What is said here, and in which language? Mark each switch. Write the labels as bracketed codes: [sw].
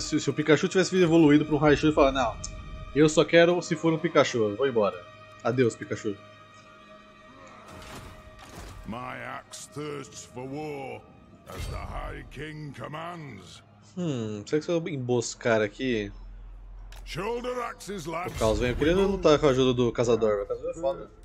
[pt] Se o Pikachu tivesse sido evoluído para um Raichu, ele fala: não, eu só quero se for um Pikachu, eu vou embora. Adeus, Pikachu. [en] My axe thirsts for war, as the High King commands. [pt] Será que se eu emboscar aqui? [en] Shoulder axes, lads. [pt] O Caos vem, eu queria lutar com a ajuda do Caçador, mas o Caçador é foda.